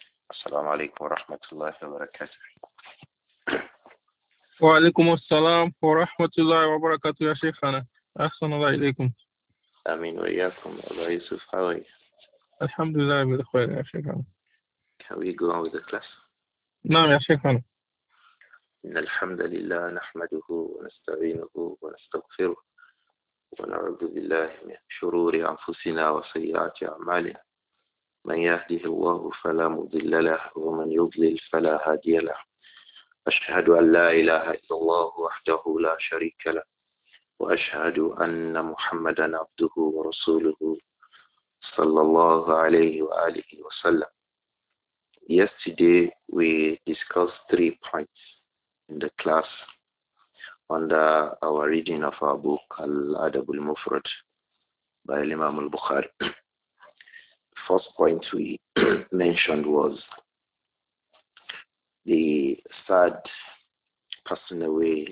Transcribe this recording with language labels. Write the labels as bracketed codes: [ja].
[ar] السلام عليكم ورحمة الله وبركاته. وعليكم السلام ورحمة الله وبركاته يا شيخنا، أحسن الله إليكم. آمين وإياكم. [en] أبو يوسف، how are you؟ [ar] الحمد لله بخير يا شيخنا. [en] Can we go on with the class؟ [ar] نعم يا شيخنا. إن الحمد لله نحمده ونستعينه ونستغفره ونعوذ بالله من شرور أنفسنا وسيئات أعمالنا. من يهده الله فلا مضل له ومن يضلل فلا هادي له. أشهد أن لا إله إلا الله وحده لا شريك له وأشهد أن محمدا عبده ورسوله صلى الله عليه وآله وسلم. [en] Yesterday we discussed three points in the class under our reading of our book Al-Adab al-Mufrad by Imam al-Bukhari. First point we mentioned was the sad passing away.